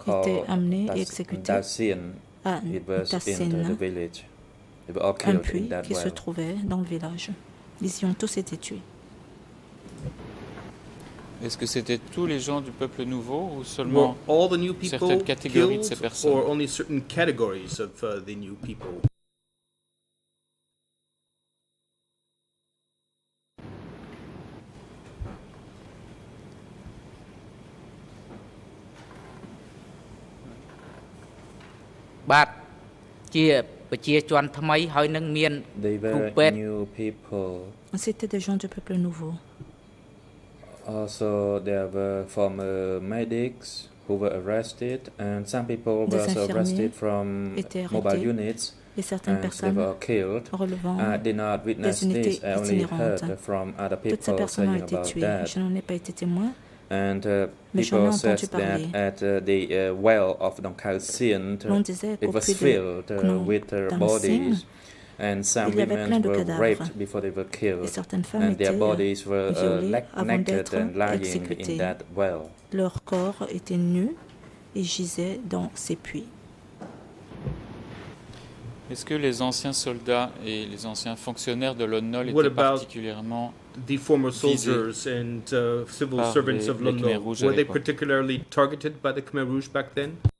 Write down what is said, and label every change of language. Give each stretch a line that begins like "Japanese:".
French: étaient amenés et exécutés à Dasin, un puits qui se trouvait dans le village. Ils y ont tous été tués. Est-ce que c'était tous les gens du peuple nouveau ou seulement certaines catégories de ces personnes?
English: Or only certain categories of the new people? Bat chia pachia chuan thamai hoi nang mien rupet new people.
French: C'était des gens du peuple nouveau.
English: Also, there were former medics who were arrested, and some people were also arrested from mobile units, and they were killed. I did not witness this, I only heard from other people saying about that. And people said that at the well of Dong Khao Sien, it was filled with their bodies. And some women were raped before they were killed, and their bodies were naked and lying in that well.
French: Leur corps était nu et gisait dans ces puits. Est-ce que les anciens soldats et les anciens fonctionnaires de l'ONNOL étaient particulièrement visés par les Khmer Rouges?
English: Were they particularly targeted by the Khmer Rouge back then?